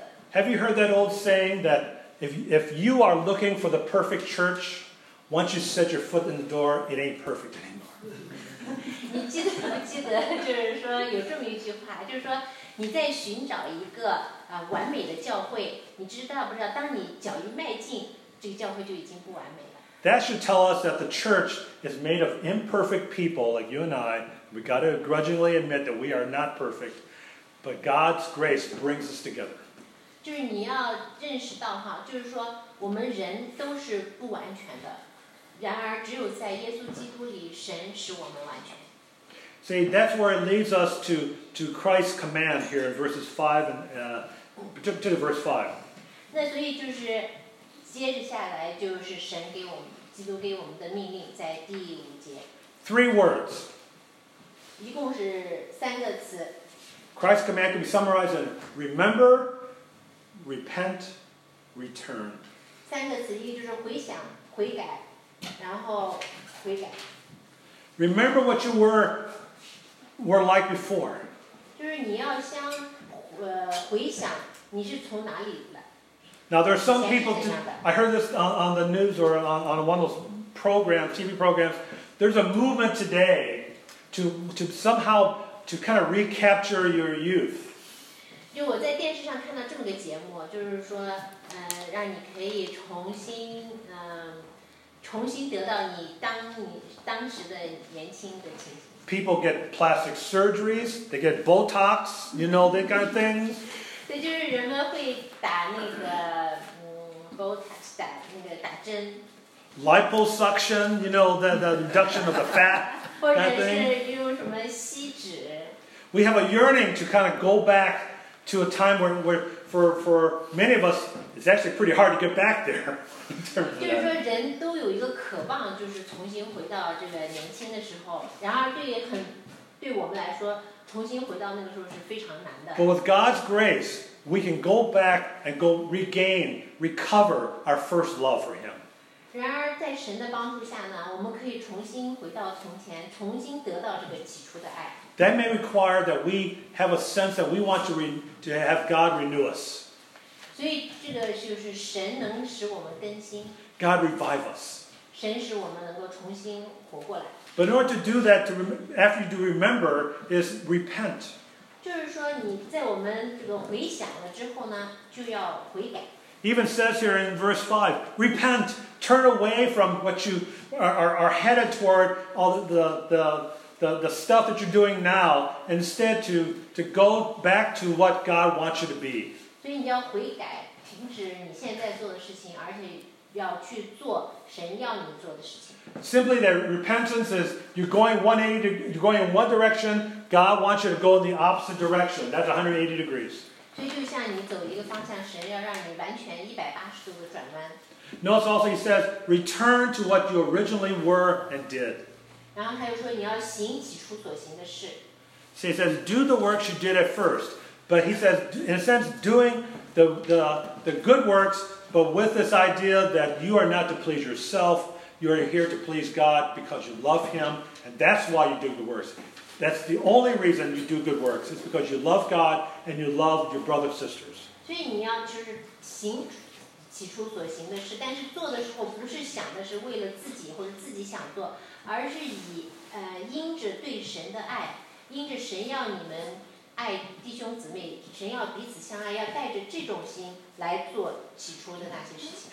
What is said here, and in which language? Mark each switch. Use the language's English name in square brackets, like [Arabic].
[English] Have you heard that old saying that if you are looking for the perfect church, once you set your foot in the door, it ain't perfect anymore? [Chinese] 你记得不记得就是说有这么一句话，就是说你在寻找一个完美的教会，你知道不知道当你脚一迈进，这个教会就已经不完美了。 [English] That should tell us that the church is made of imperfect people like you and I. We've got to grudgingly admit that we are not perfect, but God's grace brings us together. [Chinese] 就是你要认识到哈，就是说我们人都是不完全的，然而只有在耶稣基督里，神使我们完全。 [English] See, that's where it leads us to Christ's command here in verses 5 and to verse 5. [Chinese] 那所以就是接着下来就是神给我们基督给我们的命令，在第五节。 [English] Three words. [Chinese] 一共是三个词。 [English] Christ's command can be summarized in remember, repent, return. [Chinese] 三个词，一就是回想、悔改，然后悔改。 [English] Remember what you were like before. [Chinese] 就是你要想回想你是从哪里。 [English] Now, there are some people, I heard this on the news or on one of those programs, TV programs, there's a movement today to somehow to kind of recapture your youth. [Chinese] 就我在电视上看到这么个节目，就是说让你可以重新得到你当时的年轻的情形。 [English] People get plastic surgeries, they get Botox, you know, that kind of thing. [Chinese] 对，就是人们会打那个打针 [English] liposuction, you know, the reduction of the fat. [Chinese] 或者是用什么吸脂。 [English] We have a yearning to kind of go back to a time where for many of us, it's actually pretty hard to get back there. [Chinese] 就是说人都有一个渴望，就是重新回到这个年轻的时候，然而对我们来说，重新回到那个时候是非常难的。 [English] But with God's grace, we can go back and go regain, recover our first love for Him. [Chinese] 然而在神的帮助下呢，我们可以重新回到从前，重新得到这个起初的爱。 [English] That may require that we have a sense that we want to have God renew us. [Chinese] 所以这个就是神能使我们更新。 [English] God revive us. [Chinese] 神使我们能够重新活过来。 [English] But in order to do that, after you do remember, is repent. [Chinese] 就是说你在我们这个回想了之后呢，就要悔改。 [English] Even says here in verse 5, repent, turn away from what you are headed toward, all the stuff that you're doing now, instead to go back to what God wants you to be. [Chinese] 所以你要悔改，停止你现在做的事情，而且要去做神要你做的事情。 [English] Simply that repentance is you're going 180, you're going in one direction, God wants you to go in the opposite direction. That's 180 degrees. [Chinese] 所以就像你走一个方向，神要让你完全180度的转弯。 [English] Notice also he says, return to what you originally were and did. [Chinese] 然后他又说你要行起初所行的事。 [English] So he says, do the works you did at first. But he says, in a sense, doing the good works, but with this idea that you are not to please yourself, you are here to please God because you love Him, and that's why you do the worst. That's the only reason you do good works. It's because you love God and you love your brothers and sisters. [Chinese] 所以你要就是行起初所行的事，但是做的时候不是想的是为了自己或者自己想做，而是以因着对神的爱，因着神要你们爱弟兄姊妹，神要彼此相爱，要带着这种心来做起初的那些事情。